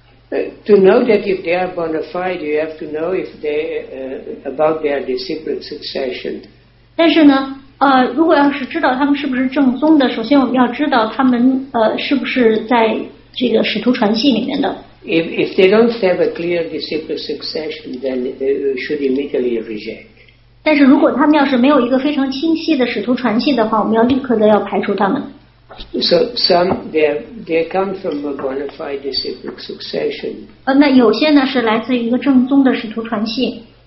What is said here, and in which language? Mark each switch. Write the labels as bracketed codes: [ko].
[en] To know that if they are bona fide, you have to know if they about their disciplic succession. [zh] 但是呢。如果要是知道他们是不是正宗的，首先我们要知道他们是不是在这个使徒传系里面的。 [en] If they don't have a clear disciplic succession, then they should immediately reject. [zh] 但是如果他们要是没有一个非常清晰的使徒传系的话，我们要立刻的要排除他们。 [en] So some they come from a bona fide disciplic succession. [zh] 那有些呢是来自于一个正宗的使徒传系。